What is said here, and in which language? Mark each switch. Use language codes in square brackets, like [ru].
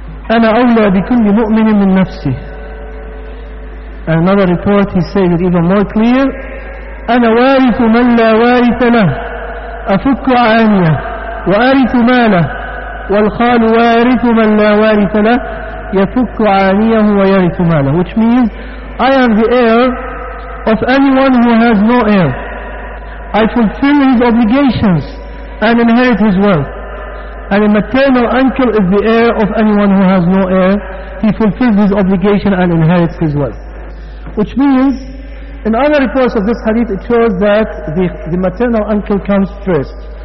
[ar] أنا أولى بكل مؤمن من نفسي. [en] Another report, he says it even more clear. [ar] أنا وارث من لا وارث له أفك عانية وارث ماله والخال وارث من لا وارث له يفك عانيه ويرث ماله. [en] Which means, I am the heir of anyone who has no heir. I fulfill his obligations and inherit his wealth. And a maternal uncle is the heir of anyone who has no heir. He fulfills his obligation and inherits his wealth. Which means, in other reports of this hadith, it shows that the maternal uncle comes first.